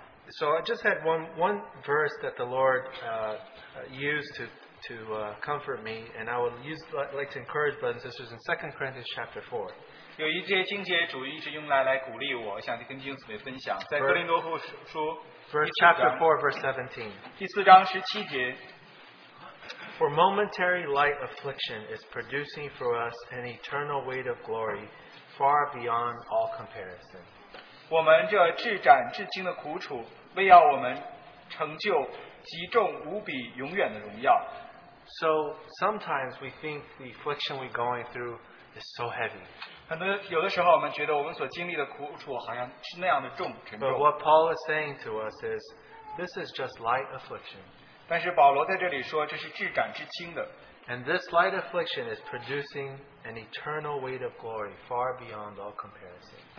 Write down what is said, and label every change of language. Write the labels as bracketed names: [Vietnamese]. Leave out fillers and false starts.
[English] So I just had one verse that the Lord used to comfort me, and I would like to encourage brothers and sisters in 2 Corinthians chapter 4. [Chinese] 有一些经节主义是用来鼓励我 想跟弟兄姊妹分享 在哥林多后书 [English] chapter 4 verse 17 [Chinese] 第四章十七节 [English] For momentary light affliction is producing for us an eternal weight of glory far beyond all comparison [Chinese] 我们这至暂至轻的苦楚 为要我们成就极重无比永远的荣耀 [English] So sometimes we think the affliction we're going through is so heavy. But what Paul is saying to us is, this is just light affliction. And this light affliction is producing an eternal weight of glory far beyond all comparison.